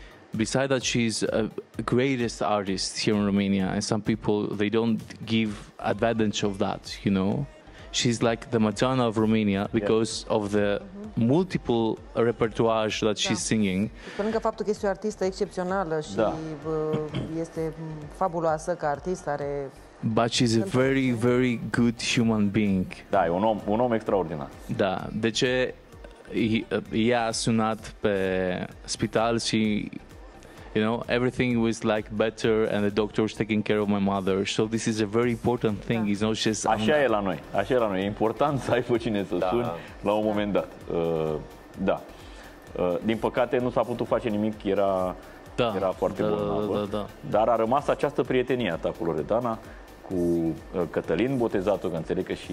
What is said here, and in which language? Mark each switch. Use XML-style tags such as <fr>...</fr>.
<en>Besides that, she's the greatest artist here in Romania, and some people, they don't give advantage of that, you know? She's like the Madonna of Romania because, yeah, of the multiple repertoire that she's, da, singing.</en> <ro>Pe lângă faptul că este o artistă excepțională și, da, este fabuloasă ca artist, are...</ro> <en>But she's a very, very good human being.</en> <ro>Da, e un om extraordinar. Da, de ce ea a sunat pe spital și...</ro> <en>You know, everything was like better and the doctor was taking care of my mother. So this is a very important thing. Da. Not just,</en> <ro>așa e la noi. Așa e la noi. E important să ai pe cine să, da, suni la un moment dat. Da. Din păcate nu s-a putut face nimic. Era, da, era foarte, da, bolnavă. Da, da, da. Dar a rămas această prietenie a ta cu Loredana. cu Cătălin Botezatu, că înțeleg că și...</ro>